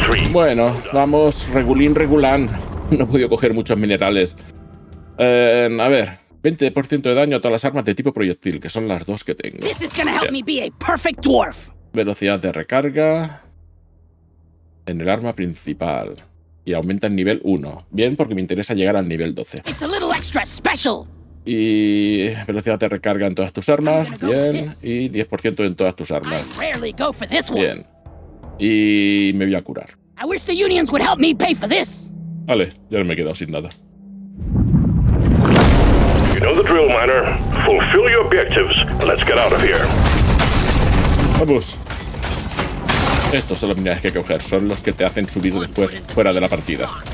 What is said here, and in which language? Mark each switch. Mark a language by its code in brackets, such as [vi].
[es] Bueno, vamos regulín regulán. No he podido coger muchos minerales. A ver. 20% de daño a todas las armas de tipo proyectil, que son las dos que tengo. [en] This is gonna help me be a perfect dwarf. [es] Velocidad de recarga en el arma principal. Y aumenta el nivel 1. Bien, porque me interesa llegar al nivel 12. [en] It's a little extra special. [es] Y velocidad de recarga en todas tus armas. Bien. Y 10% en todas tus armas. [en] I rarely go for this one. [es] Bien. Y me voy a curar. [en] I wish the unions would help me pay for this. [es] Vale, ya no me he quedado sin nada. [en] You know the drill, miner. Fulfill your objectives. Let's get out of here. [es] Vamos. Estos son los minerales que hay que coger. Son los que te hacen subir después fuera de la partida.